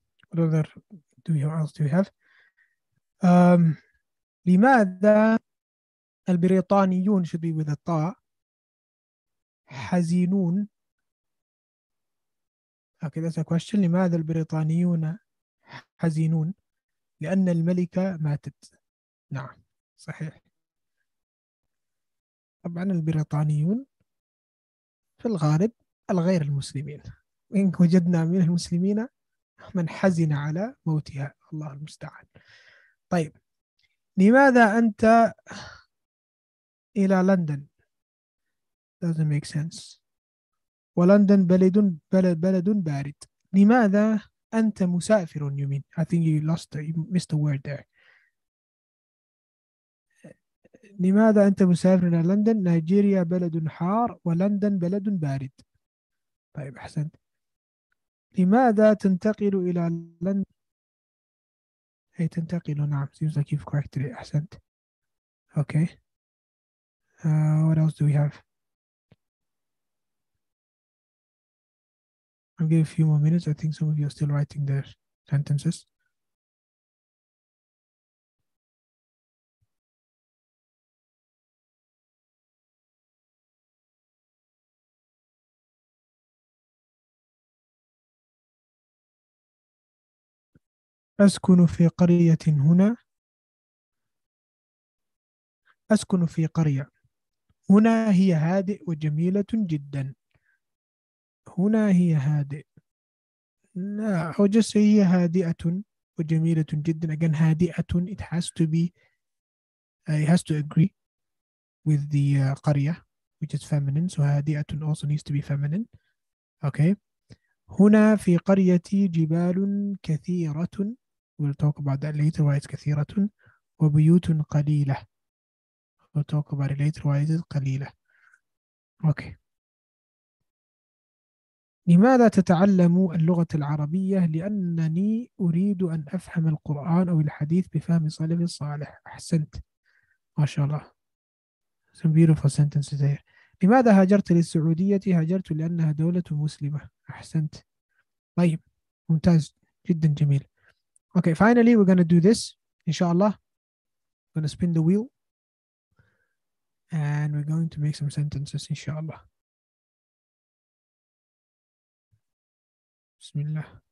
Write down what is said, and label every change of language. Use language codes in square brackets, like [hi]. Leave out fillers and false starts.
[en] What other do you else do you have? [ar] لماذا البريطانيون [en] should be with a ta حزينون. Okay, that's a question. [ar] لماذا البريطانيون حزينون؟ لأن الملكة ماتت. نعم صحيح. طبعا البريطانيون في الغالب الغير المسلمين. إن وجدنا من المسلمين من حزن على موتها الله المستعان. طيب لماذا أنت إلى لندن؟ [en] doesn't make sense. [ar] ولندن بلد بارد. لماذا أنت مسافر؟ [en] you mean I think you lost you missed a word there. [ar] لماذا أنت مسافر إلى لندن؟ نيجيريا بلد حار ولندن بلد بارد. طيب أحسنت. لماذا تنتقل إلى لندن؟ أي تنتقل نعم. [en] Seems like you've corrected it. [ar] أحسنت. [en] Okay. What else do we have? I'll give a few more minutes. I think some of you are still writing their sentences. [ar] أسكن في قرية هنا. أسكن في قرية هنا هي هادئ وجميلة جدا. هنا هي هادئ. [en] No, I'll just say [ar] هي هادئة وجميلة جدا. [en] Again, هادئة. It has to be. It has to agree with the قرية, which is feminine. So هادئة also needs to be feminine. [ar] Okay. هنا في قرية جبال كثيرة. [en] We'll talk about that later. Why it's [ar] كثيرة وبيوت قليلة. [en] We'll talk about it later. Why it's قليلة. Okay. [ar] لماذا تتعلم اللغة العربية؟ لأنني أريد أن أفهم القرآن أو الحديث بفهم صالح الصالح. أحسنت. ما شاء الله. [en] Some beautiful sentences there. [ar] لماذا هاجرت للسعودية؟ هاجرت لأنها دولة مسلمة. أحسنت. طيب. ممتاز. جدا جميل. [en] Okay, finally, we're going to do this, inshallah. We're going to spin the wheel. And we're going to make some sentences, inshallah. Bismillah.